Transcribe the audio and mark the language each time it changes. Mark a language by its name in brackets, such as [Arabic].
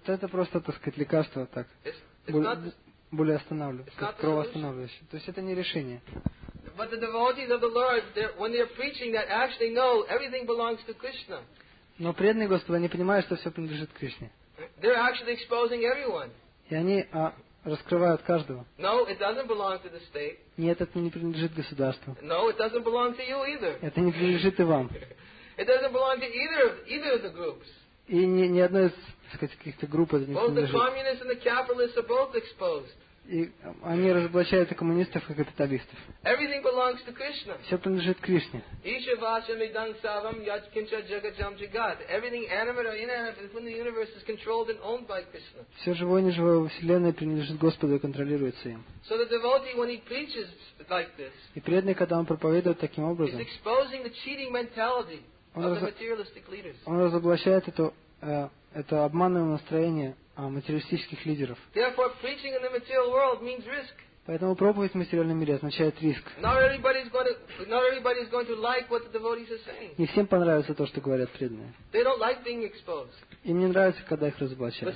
[Russian] Это просто, так сказать, лекарство, так. Более останавливающее. Кровоостанавливающее. То есть это не решение. [English] But the devotees of the Lord, when they're preaching that, actually know everything belongs to Krishna. [Russian] Но преданные Господа, они понимают, что все принадлежит Кришне. [English] They're actually exposing everyone. [Russian] И они раскрывают каждого. [English] No, it doesn't belong to the state. [Russian] Нет, это не принадлежит государству. [English] No, it doesn't belong to you either. [Russian] Это не принадлежит и вам. [English] It doesn't belong to either of the groups. [Russian] И ни одной из, так сказать, каких-то групп это не [English] both [Russian] принадлежит. [English] Both the communists and the capitalists are both exposed. [Russian] И они разоблачают и коммунистов, и капиталистов. [English] Everything belongs to Krishna. [Russian] Все принадлежит Кришне. [Sanskrit] Ishvasham idam savam yatkincha jagajam jagat. [English] Everything animate or inanimate within the universe is controlled and owned by Krishna. [Russian] Все живое и неживое во вселенной принадлежит Господу и контролируется им. [English] So the devotee, when he preaches like this, [Russian] и преданный, когда он проповедует таким образом, [English] he's exposing the cheating mentality of the materialistic leaders. [Russian] Он разоблачает это обманное настроение материалистических лидеров. [English] Therefore, preaching in the material world means risk. [Russian] Поэтому проповедь в материальном мире означает риск. Не всем понравится то, что говорят преданные. [English] They don't like being exposed. [Russian] Им не нравится, когда их разоблачают.